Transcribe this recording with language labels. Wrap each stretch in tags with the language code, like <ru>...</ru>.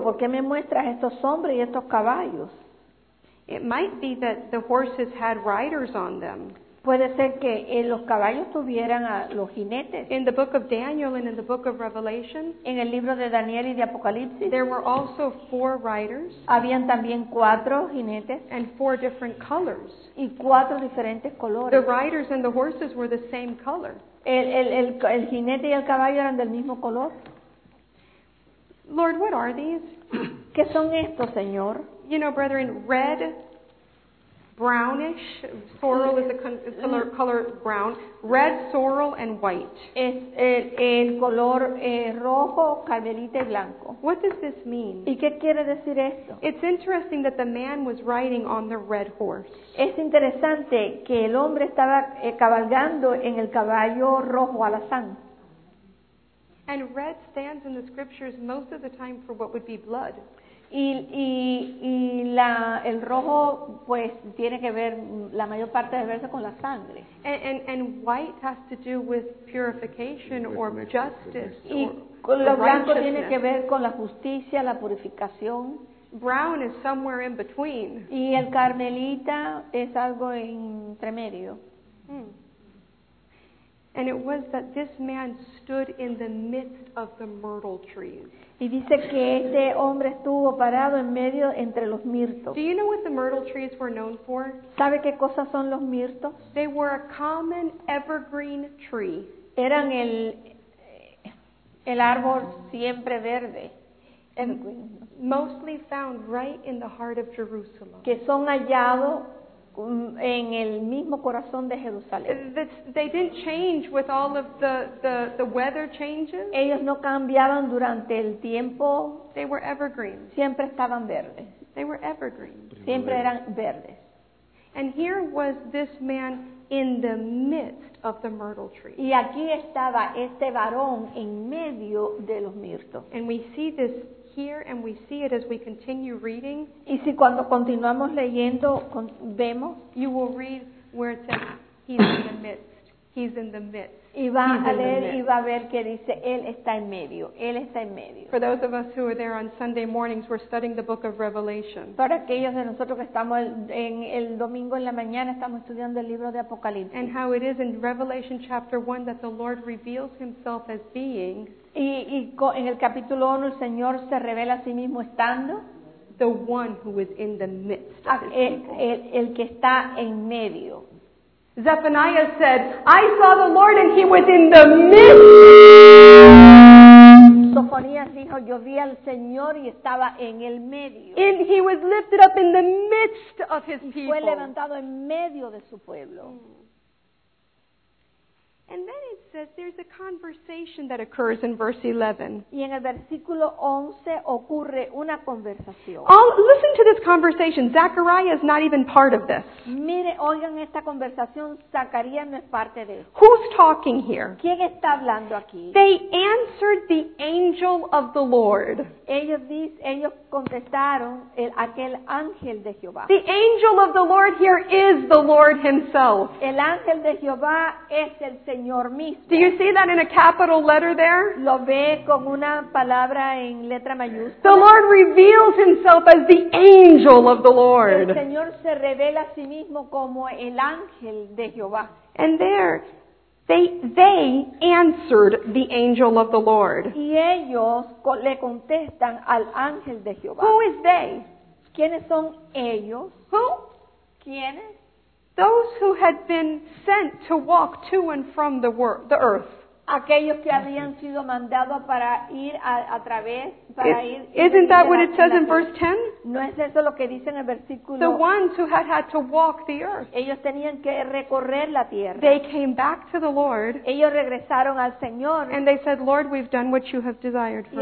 <es>¿Por qué me muestras estos hombres y estos caballos?</es> <en>It might be that the horses had riders on them.</en> <es>Puede ser que los caballos tuvieran a los jinetes.</es> <en>In the book of Daniel and in the book of Revelation,</en> <es>en el libro de Daniel y de Apocalipsis,</es> <en>there were also four riders.</en> <es>Habían también cuatro jinetes.</es> <en>And four different colors.</en> <es>Y cuatro diferentes colores.</es> <en>The riders and the horses were the same color.</en> <es>El jinete y el caballo eran del mismo color.</es> <en>Lord, what are these?</en> <es>¿Qué son estos, Señor?</es> <en>You know, brethren, red, brownish, sorrel is a color brown, red, sorrel, and white.</en> <es>Es el color rojo, carmelita y blanco.</es> <en>What does this mean?</en> <es>¿Y qué quiere decir esto?</es> <en>It's interesting that the man was riding on the red horse.</en> <es>Es interesante que el hombre estaba cabalgando en el caballo rojo alazán.</es> <en>And red stands in the scriptures most of the time for what would be blood.</en> <es>Y el rojo pues tiene que ver la mayor parte del verso con la sangre.</es> <en>And white has to do with purification or justice.</en> <es>Y lo blanco tiene que ver con la justicia, la purificación.</es> <en>Brown is somewhere in between.</en> <es>Y el carmelita es algo entre medio.</es> <en>And it was that this man stood in the midst of the myrtle trees.</en> <es>Y dice que este hombre estuvo parado en medio entre los mirtos.</es> <en>Do you know what the myrtle trees were known for?</en> <es>¿Sabe qué cosas son los mirtos?</es> <en>They were a common evergreen tree.</en> <es>Eran el árbol siempre verde. Evergreen.</es> <en>Mostly found right in the heart of Jerusalem.</en> <es>Que son hallados en el mismo corazón de Jerusalén.</es> <en>They didn't change with all of the weather changes.</en> <es>Ellos no cambiaban durante el tiempo.</es> <en>They were evergreen.</en> <es>Siempre estaban verdes.</es> <en>They were evergreen.</en> <es>Siempre eran verdes.</es> <en>And here was this man in the midst of the myrtle tree.</en> <es>Y aquí estaba este varón en medio de los mirtos.</es> <en>And we see this here, and we see it as we continue reading.</en> <es>Y si cuando continuamos leyendo, vemos,</es> <en>you will read where it says he's in the midst. He's in the midst.</en> <es>Y va a leer y va a ver que dice él está en medio. Él está en medio.</es> <en>For those of us who are there on Sunday mornings, we're studying the book of Revelation.</en> <es>Para aquellos de nosotros que estamos en el domingo en la mañana estamos estudiando el libro de Apocalipsis.</es> <en>And how it is in Revelation chapter 1 that the Lord reveals himself as being.</en> <es>Y en el capítulo 1 el Señor se revela a sí mismo estando</es> <en>the one who is in the midst. Of</en> <es>el que está en medio.</es> <en>Zephaniah said, I saw the Lord and he was in the midst.</en> <es>Sofonías dijo, yo vi al Señor y estaba en el medio.</es> <en>And he was lifted up in the midst of his people.</en> <es>Y fue levantado en medio de su pueblo.</es> <en>And then it says there's a conversation that occurs in verse 11.</en> <es>Y en el versículo 11 ocurre una conversación.</es> <en>Oh, listen to this conversation. Zechariah is not even part of this.</en> <es>Mire, oigan esta conversación. Zacarías no es parte de esto.</es> <en>Who's talking here?</en> <es>¿Quién está hablando aquí?</es> <en>They answered the angel of the Lord.</en> <es>Ellos contestaron aquel ángel de Jehová.</es> <en>The angel of the Lord here is the Lord himself.</en> <es>El ángel de Jehová es el Señor mismo.</es> <en>Do you see that in a capital letter there?</en> <es>Lo ve con una palabra en letra mayúscula.</es> <en>The Lord reveals himself as the angel of the Lord.</en> <es>El Señor se revela a sí mismo como el ángel de Jehová.</es> <en>And there, they answered the angel of the Lord.</en> <es>Y ellos le contestan al ángel de Jehová.</es> <en>Who is they?</en> <es>¿Quiénes son ellos?</es> <en>Who?</en> <es>¿Quiénes?</es> <en>Those who had been sent to walk to and from the earth.</en> <es>Aquellos que habían sido mandados para ir a través,</es> <en>isn't that what it says in verse 10?</en> <es>No es eso lo que dice en el versículo.</es> <en>The ones who had to walk the earth.</en> <es>Ellos tenían que recorrer la tierra.</es> <en>They came back to the Lord.</en> <es>Ellos regresaron al Señor.</es> <en>And they said, Lord, we've done what you have desired for us to do.</en>